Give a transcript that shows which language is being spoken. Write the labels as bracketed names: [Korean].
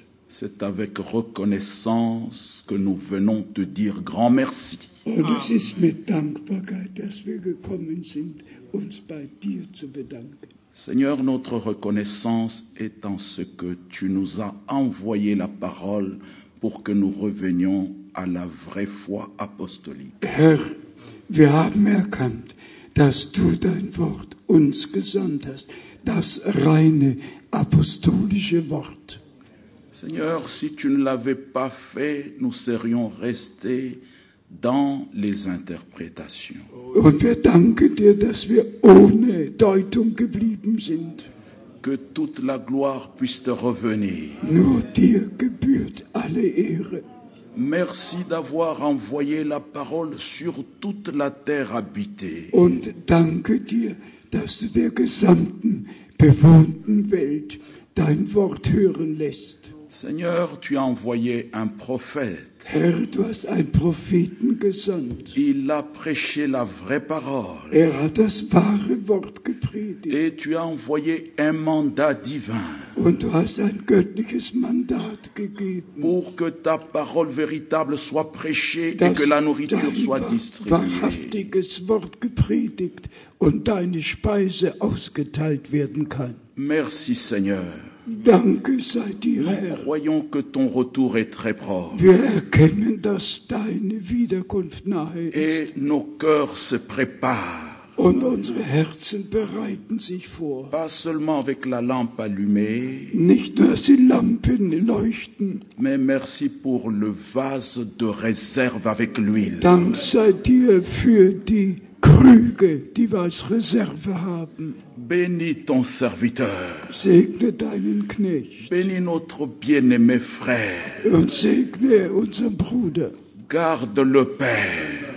[French] c'est avec reconnaissance que nous venons te dire grand merci. [German] Und es ist mit Dankbarkeit, dass wir gekommen sind, uns bei dir zu bedanken. [French] Seigneur, notre reconnaissance est en ce que tu nous as envoyé la parole pour que nous revenions à la vraie foi apostolique. [German] Herr, wir haben erkannt, dass du dein Wort uns gesandt hast, das reine apostolische Wort. [French] Seigneur, si tu ne l'avais pas fait, nous serions restés dans les interprétations. [German] Und wir danken dir, dass wir ohne Deutung geblieben sind. [French] Que toute la gloire puisse te revenir. [German] Nur dir gebührt alle Ehre. [French] Merci d'avoir envoyé la parole sur toute la terre habitée. [German] Und danke dir, dass du der gesamten bewohnten Welt dein Wort hören lässt. [French] Seigneur, tu as envoyé un prophète. [German] Herr, du hast einen Propheten gesandt. [French] Il a prêché la vraie parole. [German] Er hat das wahre Wort gepredigt. [French] Et tu as envoyé un mandat divin. [German] Und du hast ein göttliches Mandat gegeben. [French] Pour que ta parole véritable soit prêchée et que la nourriture soit distribuée. [German] Dass dein wahrhaftiges Wort gepredigt und deine Speise ausgeteilt werden kann. [French] Merci, Seigneur. [German] Danke sei dir, Herr. [French] Nous croyons que ton retour est très proche. [German] Wir erkennen, dass deine Wiederkunft nahe ist. [French] Et nos cœurs se préparent. [German] Und unsere Herzen bereiten sich vor. [French] Pas seulement avec la lampe allumée. [German] Nicht nur, dass die Lampen leuchten. [French] Mais merci pour le vase de réserve avec l'huile. [German] Dank sei dir für die Krüge, die wir als Reserve haben. [French] Bénis ton serviteur. [German] Segne deinen Knecht. [French] Bénis notre bien-aimé frère. [German] Und segne unseren Bruder. [French] Garde le Père.